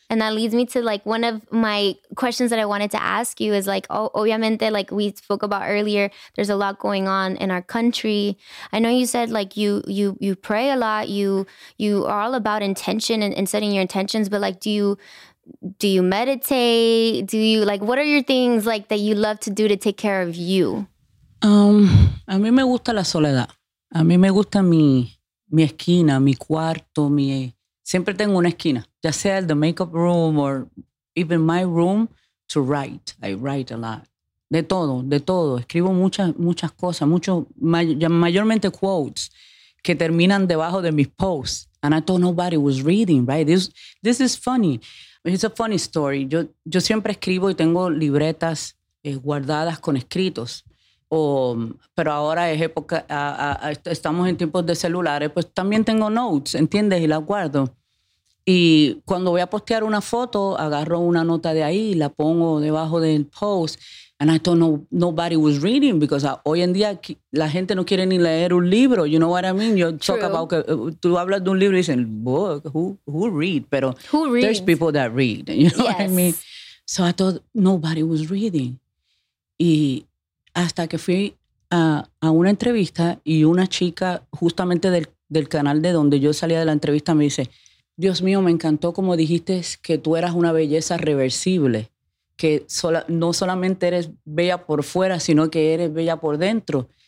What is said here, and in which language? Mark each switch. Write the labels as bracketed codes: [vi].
[en] And that leads me to like one of my questions that I wanted to ask you is like, obviamente, like we spoke about earlier, there's a lot going on in our country. I know you said like you pray a lot, you are all about intention and setting your intentions, but like do you meditate? Do you like what are your things like that you love to do to take care of you? [es] A mí me gusta la soledad. A mí me gusta mi esquina, mi cuarto, mi siempre tengo una esquina. Ya sea el [en] the makeup room or even my room to write. I write a lot. [es] De todo. Escribo muchas cosas, mayormente quotes que terminan debajo de mis posts. [en] And I thought nobody was reading, right? This is funny. It's a funny story. [es] Yo siempre escribo y tengo libretas guardadas con escritos. Pero ahora es época, estamos en tiempos de celulares, pues también tengo notes, ¿entiendes? Y las guardo. Y cuando voy a postear una foto, agarro una nota de ahí y la pongo debajo del post. [en] And I thought nobody was reading because [es] hoy en día la gente no quiere ni leer un libro. [en] You know what I mean? [es] Tú hablas de un libro y dicen, [en] book, who read? [es] Pero [en] who reads? There's people that read. You know what I mean? So I thought nobody was reading. [es] Y hasta que fui a una entrevista y una chica justamente del canal de donde yo salía de la entrevista me dice, Dios mío, me encantó como dijiste que tú eras una belleza reversible. Que no solamente eres bella por fuera, sino que eres bella por dentro.